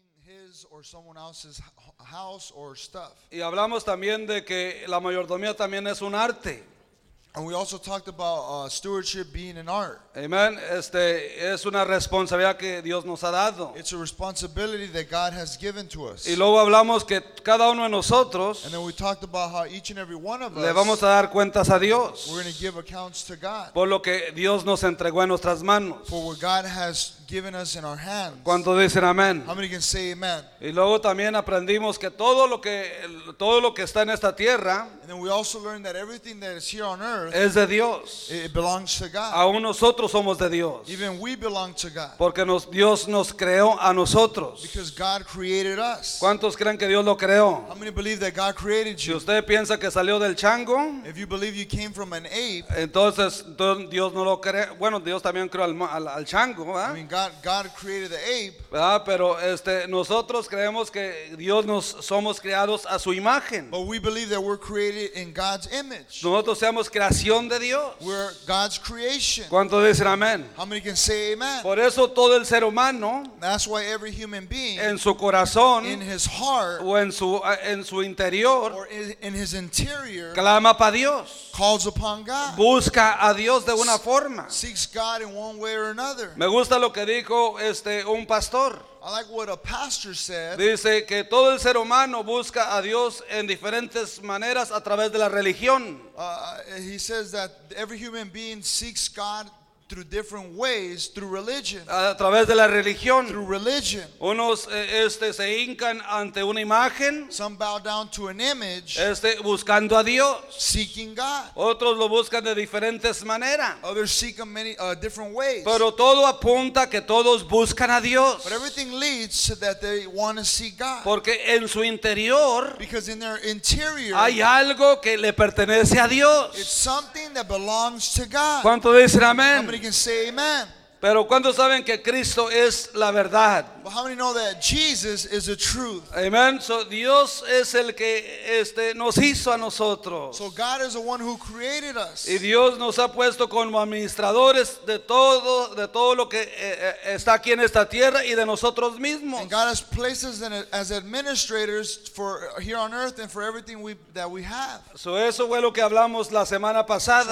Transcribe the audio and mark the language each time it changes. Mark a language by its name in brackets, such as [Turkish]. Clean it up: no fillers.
[English] his or someone else's house or stuff. [Spanish] Y hablamos también de que la mayordomía también es un arte. [English] And we also talked about stewardship being an art. [Spanish] Amen. Este es una responsabilidad que Dios nos ha dado. [English] It's a responsibility that God has given to us. [Spanish] Y luego hablamos que cada uno de nosotros, [English] and then we talked about how each and every one of [Spanish] le vamos a dar cuentas a Dios, [English] we're going to give accounts to God, [Spanish] por lo que Dios nos entregó en nuestras manos, [English] for what God has given us in our hands. [Spanish] ¿Cuánto dicen amén? [English] How many can say amen? [Spanish] Y luego también aprendimos que todo lo que está en esta tierra, [English] and then we also learned that everything that is here on earth, [Spanish] es de Dios. [English] It belongs to God. [Spanish] Aún nosotros somos de Dios. [English] Even we belong to God. [Spanish] Porque Dios nos creó a nosotros. [English] Because God created us. [Spanish] ¿Cuántos creen que Dios lo creó? [English] How many believe that God created you? [Spanish] Si usted piensa que salió del chango, [English] if you believe you came from an ape, [Spanish] entonces Dios no lo creó. Bueno, Dios también creó al chango, ¿verdad? [English] I mean, God created the ape. [Spanish] ¿Verdad? Pero nosotros creemos que Dios nos somos creados a su imagen. [English] But we believe that we're created in God's image. [Spanish] Nosotros seamos creación de Dios. [English] We're God's creation. [Spanish] ¿Cuánto dicen amén? [English] How many can say amen? [Spanish] Por eso todo el ser humano, [English] that's why every human being, [Spanish] en su corazón, [English] in his heart, [Spanish] o en su interior, [English] or in his interior, [Spanish] clama para Dios. [English] Calls upon God. [Spanish] Busca a Dios de una forma. [English] Seeks God in one way or another. [Spanish] Me gusta lo que dijo un pastor. [English] I like what a pastor said. [Spanish] Dice que todo el ser humano busca a Dios en diferentes maneras a través de la religión. [English] He says that every human being seeks God through different ways, through religion. [Spanish] A través de la religión. [English] Through religion. [Spanish] Unos se hincan ante una imagen. [English] Some bow down to an image. [Spanish] Buscando a Dios. [English] Seeking God. [Spanish] Otros lo buscan de diferentes maneras. [English] Others seek him many different ways. [Spanish] Pero todo apunta que todos buscan a Dios. [English] But everything leads to that they want to see God. [Spanish] Porque en su interior, [English] because in their interior, [Spanish] hay algo que le pertenece a Dios. [English] It's something that belongs to God. [Spanish] ¿Cuánto dicen amén? [English] Somebody can say amen. [Spanish] Pero ¿cuántos saben que Cristo es la verdad? [English] Well, how many know that Jesus is the truth? Amen. [Spanish] So Dios es el que nos hizo a nosotros. [English] So God is the one who created us. [Spanish] Y Dios nos ha puesto como administradores de todo lo que está aquí en esta tierra y de nosotros mismos. [English] And God has placed us as administrators for here on earth and for everything that we have. [Spanish] So eso fue lo que hablamos la semana pasada.